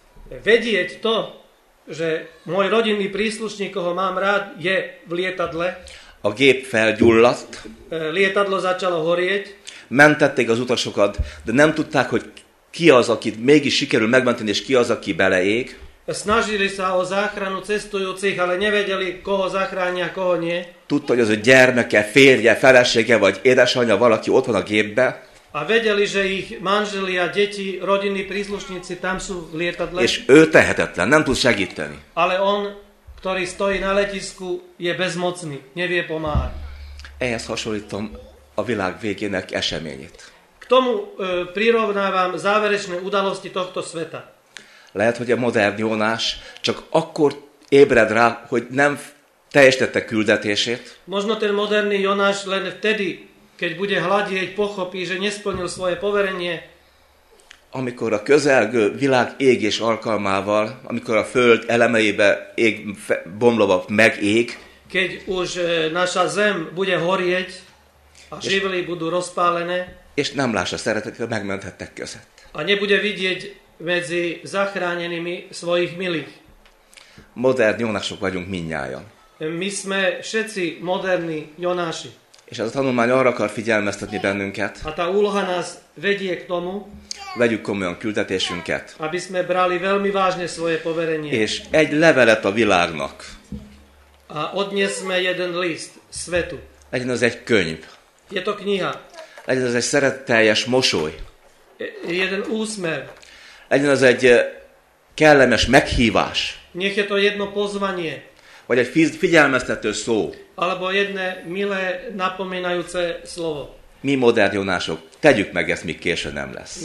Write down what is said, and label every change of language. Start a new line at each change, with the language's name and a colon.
Slovak: Vedieť to, že môj rodinný príslušník, koho mám rád, je v lietadle.
Hungarian: A gép felgyulladt.
Slovak: Lietadlo začalo horieť.
Hungarian: Mentették az utasokat, de nem tudták, hogy ki az, akit mégis sikerül megmenteni, és ki az, aki beleég.
Slovak: Snažili sa o záchranu cestujúcich, ale nevedeli, koho zachránia, koho nie.
Hungarian: Tudta, hogy az a gyermeke, férje, felesége, vagy édesanyja, valaki ott van a gépbe.
Slovak: A vedeli, že ich manželi a deti, rodinní príslušníci tam sú v lietadle.
Hungarian: És ő tehetetlen, nem tud segíteni.
Slovak: Ale on, ktorý stojí na letisku, je bezmocný, nevie pomáhať.
Hungarian: Ehhez hasonlítom a világ végének eseményét.
Slovak: K tomu prirovnávam záverečné udalosti tohto sveta.
Hungarian: Lehet, hogy a modern Jónás csak akkor ébred rá, hogy nem teljesítette küldetését.
Slovak: Možno ten moderný Jonáš len vtedy, keď bude hladieť, pochopí, že nesplnil svoje poverenie.
Hungarian: Amikor a közelgő világ égés alkalmával, amikor a föld elemeibe ég, bomlova megég.
Slovak: Keď už naša zem bude horieť, a živly budú rozpálené.
Hungarian: És nem lássa szeretet, hogy megmenthettek között.
Slovak: A nebude vidieť medzi zachránenými svojich milých.
Hungarian: Modern Jónások vagyunk mindnyájan.
Slovak: Mi sme všetci moderní Jonáši.
Hungarian: És ez a tanulmány arra akar figyelmeztetni bennünket.
Slovak: A tá úloha nás vedie k tomu.
Hungarian: Vegyük komolyan küldetésünket.
Slovak: Aby sme brali veľmi vážne svoje poverenie.
Hungarian: És egy levelet a világnak.
Slovak: A odniesme jeden list svetu.
Hungarian: Legyen az egy könyv.
Slovak: Je to kniha.
Hungarian: Legyen az egy szeretteljes mosoly.
Slovak: Jeden úsmev.
Hungarian: Legyen az egy kellemes meghívás.
Slovak: Nech je to jedno pozvanie.
Hungarian: Vagy egy figyelmeztető szó.
Slovak: Alebo jedne milé napomínajúce slovo.
Hungarian: Mi modern Jonások, tegyük meg ezt, míg késő nem lesz.